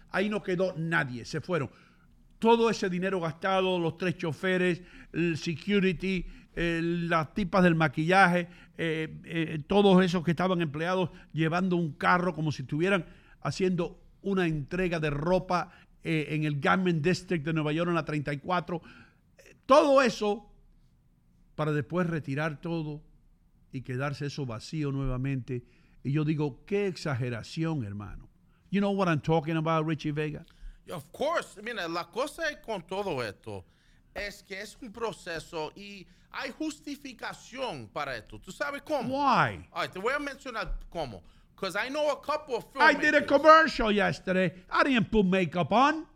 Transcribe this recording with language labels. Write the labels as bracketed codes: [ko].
[es] Ahí no quedó nadie. Se fueron. Todo ese dinero gastado, los tres choferes, el security, las tipas del maquillaje, todos esos que estaban empleados llevando un carro como si estuvieran haciendo una entrega de ropa en el Garment District de Nueva York en la 34. Todo eso para después retirar todo y quedarse eso vacío nuevamente. Y yo digo, qué exageración, hermano. [en] You know what I'm talking about, Richie Vega? Of course. [es] Mira, la cosa con todo esto es que es un proceso y hay justificación para esto. ¿Tú sabes cómo? [en] Why? All right, [es] te voy a mencionar cómo. [en] Because I know a couple of filmmakers. I did a commercial yesterday. I didn't put makeup on.